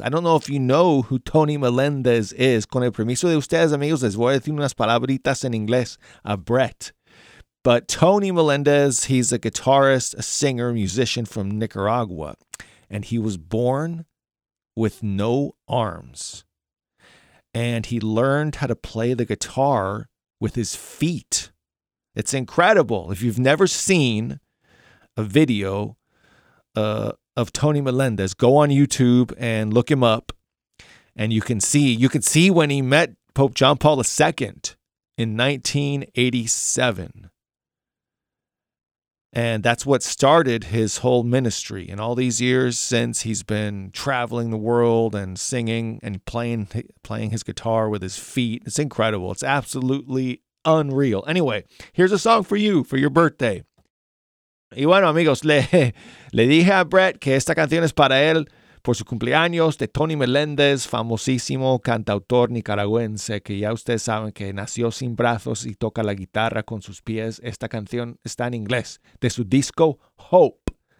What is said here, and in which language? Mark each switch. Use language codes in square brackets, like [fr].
[en] I don't know if you know who Tony Melendez is. [es] Con el permiso de ustedes, amigos, les voy a decir unas palabritas en inglés a Brett. [en] But Tony Melendez, he's a guitarist, a singer, musician from Nicaragua. And he was born with no arms. And he learned how to play the guitar with his feet. It's incredible. If you've never seen a video of Tony Melendez, go on YouTube and look him up. And you can see when he met Pope John Paul II in 1987. And that's what started his whole ministry. And all these years since, he's been traveling the world and singing and playing his guitar with his feet. It's incredible. It's absolutely unreal. Anyway, here's a song for you for your birthday. [es] Y bueno, amigos, le dije a Brett que esta canción es para él por su cumpleaños, de Tony Melendez, famosísimo cantautor nicaragüense, que ya ustedes saben que nació sin brazos y toca la guitarra con sus pies. Esta canción está en inglés, de su disco Hope.